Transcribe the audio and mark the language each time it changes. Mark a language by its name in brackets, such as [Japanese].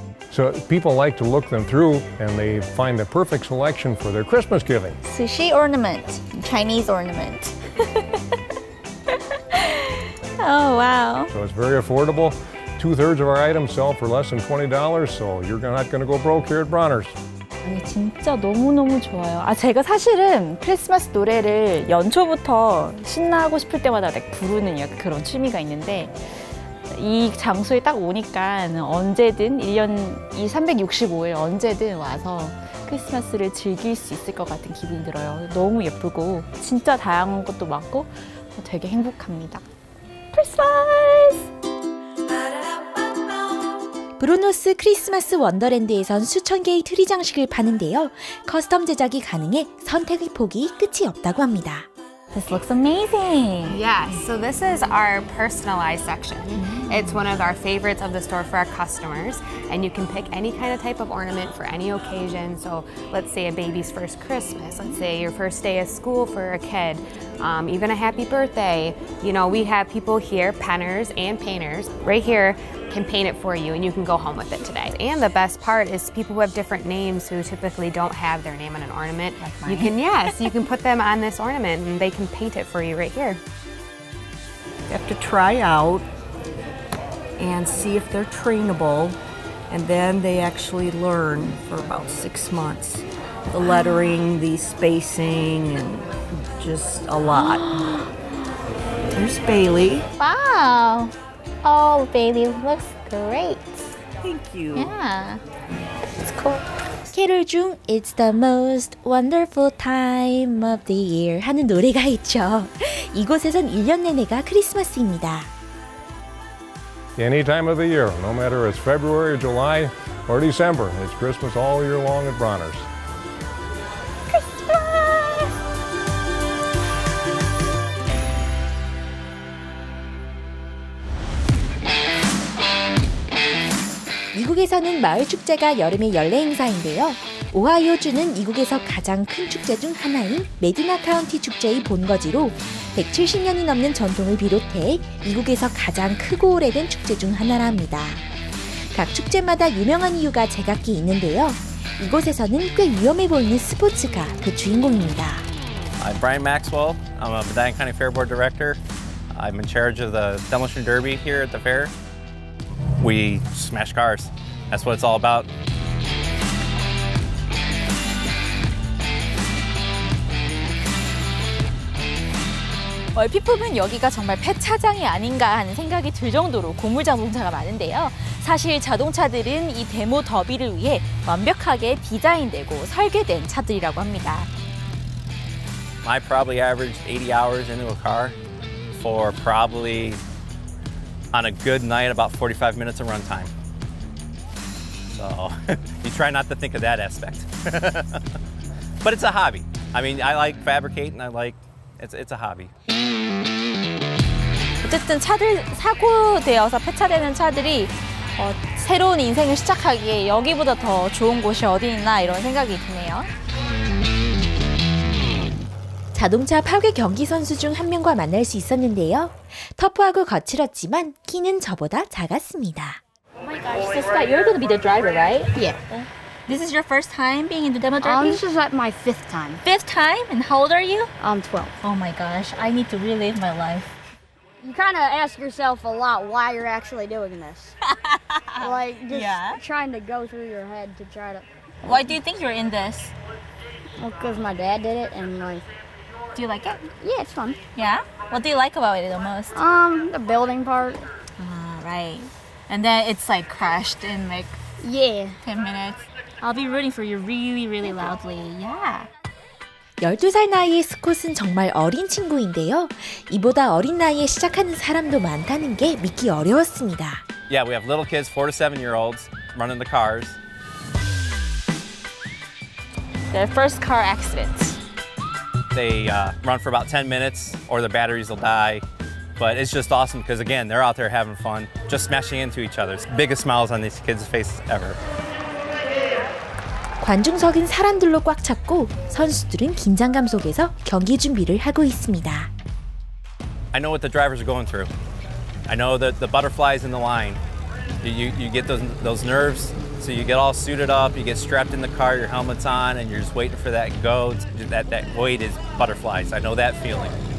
[English] So people like to look them through and they find the perfect selection for their Christmas giving. Sushi ornament, Chinese ornament. Oh, wow. So it's very affordable. Two-thirds of our items sell for less than $20, so you're not going to go broke here at Bronner's. [Korean] 아니, 진짜 너무너무 좋아요. 아, 제가 사실은 크리스마스 노래를 연초부터 신나고 싶을 때마다 부르는 그런 취미가 있는데, 이 장소에 딱 오니까 언제든 1년 이 365일 언제든 와서 크리스마스를 즐길 수 있을 것 같은 기분이 들어요. 너무 예쁘고 진짜 다양한 것도 많고 되게 행복합니다. 크리스마스! 브루노스 크리스마스 원더랜드에선 수천 개의 트리 장식을 파는데요. 커스텀 제작이 가능해 선택의 폭이 끝이 없다고 합니다. [English] This looks amazing. Yeah, so this is our personalized section. It's one of our favorites of the store for our customers. And you can pick any kind of type of ornament for any occasion. So let's say a baby's first Christmas, let's say your first day of school for a kid, even a happy birthday. You know, we have people here, penners and painters, right here can paint it for you and you can go home with it today. And the best part is people who have different names who typically don't have their name on an ornament. Like mine. You can, yes, you can put them on this ornament and they can paint it for you right here. You have to try out and see if they're trainable. And then they actually learn for about 6 months. The lettering, the spacing, and just a lot. Here's Bailey. Wow. Oh, Bailey looks great. Thank you. Yeah. It's cool. [Korean] 캐롤 중 [English] It's the most wonderful time of the year [Korean] 하는 노래가 있죠. 이곳에선 1년 내내가 크리스마스입니다. [English] Any time of the year, no matter if it's February, July, or December, it's Christmas all year long at Bronner's. Christmas! [Korean] 미국에서는 마을 축제가 여름의 연례 행사인데요. 오하이오주는 이국에서 가장 큰 축제 중 하나인 메디나 카운티 축제의 본거지로 170년이 넘는 전통을 비롯해 이국에서 가장 크고 오래된 축제 중 하나랍니다. 각 축제마다 유명한 이유가 제각기 있는데요. 이곳에서는 꽤 위험해 보이는 스포츠가 그 주인공입니다. [English] I'm Brian Maxwell. I'm a Medina County Fair Board Director. I'm in charge of the Demolition Derby here at the fair. We smash cars. That's what it's all about. [Korean] 얼핏 보면 여기가 정말 폐차장이 아닌가 하는 생각이 들 정도로 고물자동차가 많은데요. 사실 자동차들은 이 데모 더비를 위해 완벽하게 디자인되고 설계된 차들이라고 합니다. [English] I probably averaged 80 hours into a car for probably on a good night about 45 minutes of runtime. So you try not to think of that aspect. But it's a hobby. I mean, I like fabricating. It's a hobby. [Korean] 어쨌든 차들 사고 되어서 폐차되는 차들이 새로운 인생을 시작하기에 여기보다 더 좋은 곳이 어디 있나 이런 생각이 드네요. 자동차 파괴 경기 선수 중 한 명과 만날 수 있었는데요. 터프하고 거칠었지만 키는 저보다 작았습니다. [English] Oh my gosh, so Scott, you're going to be the driver, right? Yeah. This is your first time being in the demo derby? This is like my fifth time. Fifth time? And how old are you? I'm 12. Oh my gosh, I need to relive my life. You kind of ask yourself a lot why you're actually doing this. Like, just trying to go through your head to try to... Why do you think you're in this? Well, because my dad did it and like... Do you like it? Yeah, it's fun. Yeah? What do you like about it the most? The building part. Right. And then it's like crashed in like... Yeah. 10 minutes. I'll be rooting for you really, really loudly. Yeah. [Korean] 12살 나이의 스콧은 정말 어린 친구인데요. 이보다 어린 나이에 시작하는 사람도 많다는 게 믿기 어려웠습니다. [English] Yeah, we have little kids, 4 to 7 year olds, running the cars. Their first car accident. They run for about 10 minutes or their batteries will die. But it's just awesome because, again, they're out there having fun, just smashing into each other. Biggest smiles on these kids' faces ever. [Korean] 관중석은 사람들로 꽉 찼고 선수들은 긴장감 속에서 경기 준비를 하고 있습니다. [English] I know what the drivers are going through. I know that the butterflies in the line. You get those nerves, so you get all suited up, you get strapped in the car, your helmet's on, and you're just waiting for that go. That weight is butterflies. I know that feeling.